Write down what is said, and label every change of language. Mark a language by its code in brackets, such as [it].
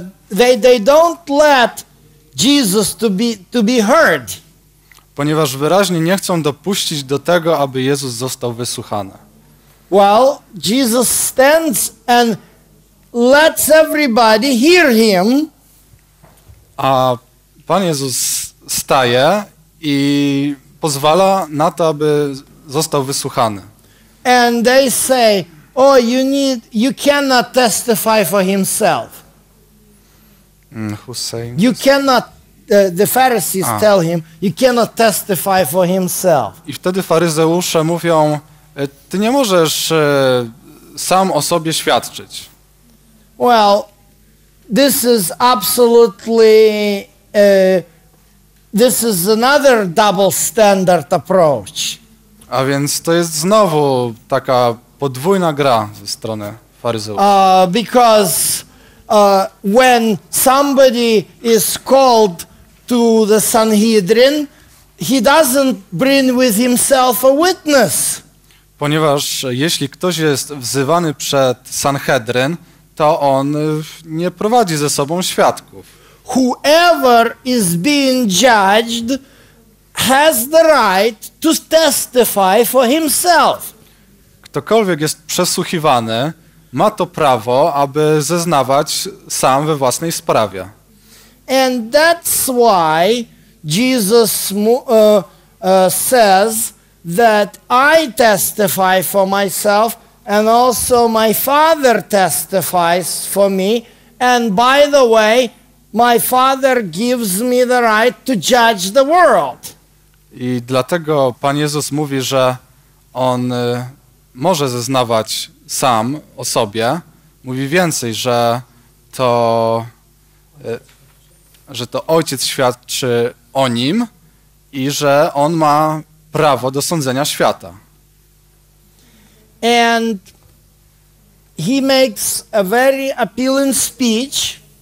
[en] they don't let Jesus to be heard. [pl] Ponieważ wyraźnie nie chcą dopuścić do tego, aby Jezus został wysłuchany. [en] Well, Jesus stands and lets everybody hear him. [pl] A Pan Jezus staje i pozwala na to, aby został wysłuchany. [en] And they say, oh, you cannot testify for himself. Who's saying you this? Cannot, the Pharisees A. tell him, you cannot testify for himself. [pl] I wtedy faryzeusze mówią, ty nie możesz sam o sobie świadczyć. [en] Well, this is absolutely, this is another double standard approach. [pl] A więc to jest znowu taka podwójna gra ze strony faryzeuszy. [en] Because when somebody is called to the Sanhedrin, he doesn't bring with himself a witness. [pl] Ponieważ jeśli ktoś jest wzywany przed Sanhedrin, to on nie prowadzi ze sobą świadków. [en] Whoever is being judged has the right to testify for himself. [pl] Ktokolwiek jest przesłuchiwany, ma to prawo, aby zeznawać sam we własnej sprawie. [en] And that's why Jesus says that I testify for myself and also my Father testifies for me. And by the way, my Father gives me the right to judge the world. [pl] I dlatego Pan Jezus mówi, że On może zeznawać sam o sobie. Mówi więcej, że to Ojciec świadczy o Nim i że On ma prawo do sądzenia świata. [en] And he makes a very appealing speech.